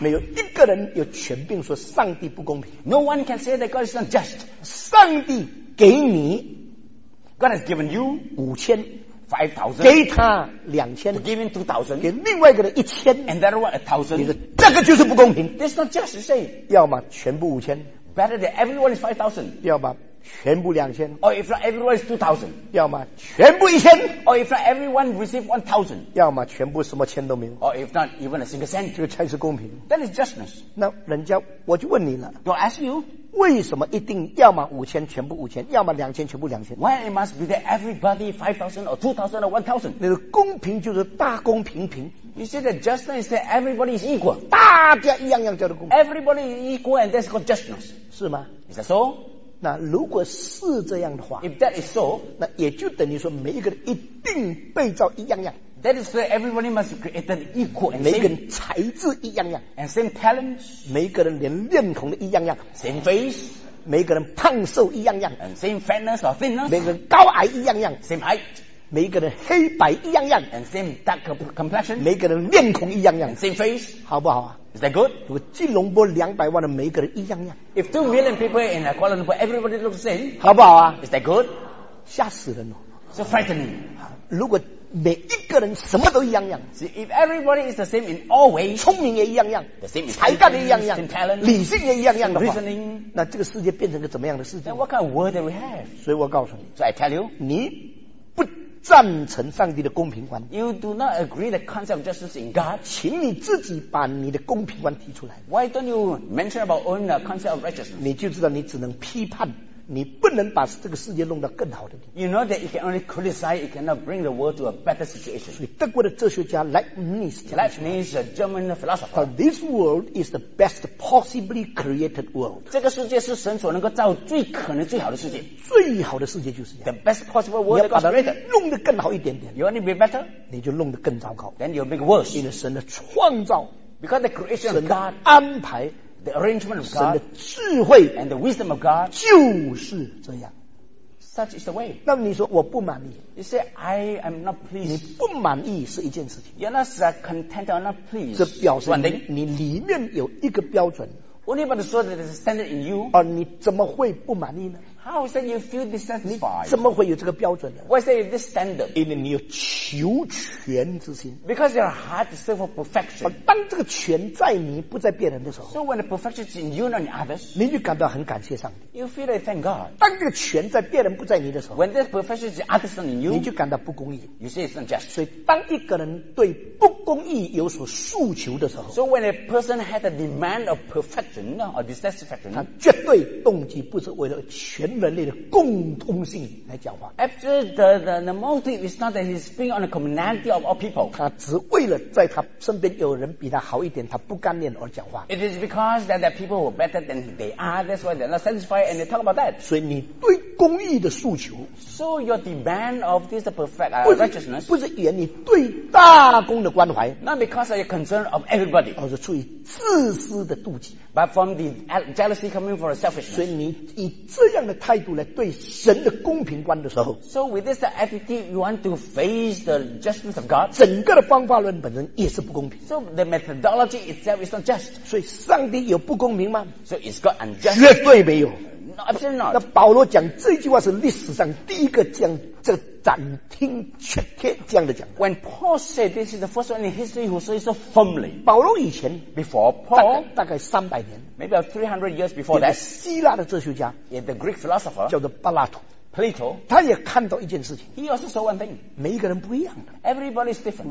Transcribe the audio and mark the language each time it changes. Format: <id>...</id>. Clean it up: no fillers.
<zh>没有一个人有权柄说上帝不公平。</zh> <en>No one can say that God is unjust.</en> <zh>上帝给你</zh> <en>，God has given you</en> <zh>5000。</zh> <en>5000,</en> <zh>给他2000,</zh> <en>to give him 2000,</en> <zh>给另外一个人1000,</zh> <en>and that one 1000,</en> <zh>你说这个就是不公平。</zh> <en>That's not just to say,</en> <zh>要么全部5000,</zh> <en>better than everyone is 5000,</en> <zh>要么全部2000,</zh> <en>or if not everyone is 2000,</en> <zh>要么全部1000,</zh> <en>or if not everyone receive 1000,</en> <zh>要么全部什么钱都没有，</zh> <en>or if not even a single cent,</en> <zh>这个才是公平。</zh> <en>That is justness.</en> <zh>那人家我就问你了，</zh> <en>I'll ask you.</en> <zh>为什么一定要么五千全部五千，要么两千全部两千</zh> <en>？Why it must be that everybody 5000 or 2000 or 1000？</en> <zh>那个公平就是大公平平。</zh> <en>You see that justice is that everybody is equal，</en> <zh>大家一样样叫做公平。</zh> <en>Everybody is equal and that's called justness，</en> <zh>是吗</zh> <en>？Is that so？</en> <zh>那如果是这样的话</zh> <en>，If that is so，</en> <zh>那也就等于说每一个人一定被照一样样。</zh> <en>That is why everybody must be created equal and same.</en> <zh>每个人才智一样样。</zh> <en>And same talents.</en> <zh>每个人连面孔的一样样。</zh> <en>Same face.</en> <zh>每个人胖瘦一样样。</zh> <en>And same fatness or thinness.</en> <zh>每个人高矮一样样。</zh> <en>Same height.</en> <zh>每个人黑白一样样。</zh> <en>And same dark complexion.</en> <zh>每个人面孔一样样。</zh> <en>And same face.</en> <zh>好不好啊？</zh> <en>Is that good?</en> <zh>如果吉隆坡200万的每个人一样样。</zh> <en>If 2 million people in Kuala Lumpur, everybody looks the same.</en> <zh>好不好啊？</zh> <en>Is that good?</en> <zh>吓死人哦。</zh> <en>So frightening.</en> <zh>如果每一个人什么都一样样。</zh> <en>See, if everybody is the same in all ways,</en> <zh>聪明也一样样，</zh> <en>the same</en> <zh>才干也一样样，</zh> <en>same talent,</en> <zh>理性也一样样的话，</zh> <en>reasoning,</en> <zh>那这个世界变成个怎么样的世界？</zh> <en>Then what kind of world do we have?</en> <zh>所以我告诉你，</zh> <en>so I tell you,</en> <zh>你不赞成上帝的公平观。</zh> <en>You do not agree the concept of justice in God.</en> <zh>请你自己把你的公平观提出来。</zh> <en>Why don't you mention about own the concept of righteousness?</en> <zh>你就知道你只能批判。你不能把这个世界弄到更好的地方。</zh> <en>You know that you can only criticize, you cannot bring the world to a better situation.</en> <zh>所以德国的哲学家 Leibniz 讲</zh> <en>，Leibniz is a German philosopher. But this world is the best possibly created world.</en> <zh>这个世界是神所能够造最可能最好的世界。最好的世界就是这样。</zh> <en>The best possible world.</en> <zh>你要把它弄得更好一点点。</zh> <en>You only be better.</en> <zh>你就弄得更糟糕。</zh> <en>Then you'll make it worse.</en> <zh>因为神的创造</zh> <en>，Because the creation of God.</en> <zh>神的安排。</zh> <en>The arrangement of God and the wisdom of God</en> <zh>就是这样。</zh> <en>Such is the way.</en> <zh>那你说我不满意。</zh> <en>You say I am not pleased.</en> <zh>你不满意是一件事情。</zh> <en>You're not content or not pleased.</en> <zh>这表示 你里面有一个标准。</zh> <en>What about the sort that is standard in you?</en> <zh>而你怎么会不满意呢？</zh> <en>How is that you feel dissatisfied?</en> <zh>你怎么会有这个标准呢？</zh> <en>Why is that this standard?</en> <zh>因为你有求全之心。</zh> <en>Because your heart is still for perfection.</en> <zh>当这个全在你不在别人的时候。</zh> <en>So when the perfection is in you and others.</en> <zh>你就感到很感谢上帝。</zh> <en>You feel like thank God.</en> <zh>当这个全在别人不在你的时候。</zh> <en>When this perfection is in others and in you.</en> <zh>你就感到不公义。</zh> <en>You say it's unjust.</en> <zh>所以当一个人对不公义有所诉求的时候。</zh> <en>So when a person has a demand of perfection or dissatisfaction.</en> <zh>他绝对动机不是为了全人类的共通性来讲话。</zh> <en>After the motive is not that he's speaking on the commonality of all people.</en> <zh>他只为了在他身边有人比他好一点，他不甘愿而讲话。</zh> <en>It is because that the people who are better than they are, that's why they're not satisfied and they talk about that.</en> <zh>所以你对公义的诉求。</zh> <en>So your demand of this perfect righteousness.</en> <zh>不是源于对大公的关怀。</zh> <en>Not because of your concern of everybody.</en> <zh>而是出于自私的妒忌。</zh> <en>But from the jealousy coming from selfishness.</en> <zh>所以你以这样的态度来对神的公平观的时候</zh> <en>So with this attitude you want to face the judgment of God</en> <zh>整个的方法论本身也是不公平</zh> <en>So the methodology itself is not just</en> <zh>所以上帝有不公平吗</zh> <en>So is God unjust</en> <zh>绝对没有</zh> <en>No, absolutely not</en> <zh>那保罗讲这句话是历史上第一个讲这斩钉截铁这样的讲</zh> <en>When Paul said this is the first one in history who says so firmly</en> <zh>保罗以前</zh> <en>Before Paul</en> <zh>大概300年</zh> <en>Maybe about 300 years before that</en> <zh>希腊的哲学家</zh> <en>The Greek philosopher</en> <zh>叫做柏拉图</zh> <en>Plato</en> <zh>他也看到一件事情</zh> <en>He also saw one thing</en> <zh>每一个人不一样</zh> <en>Everybody is different</en>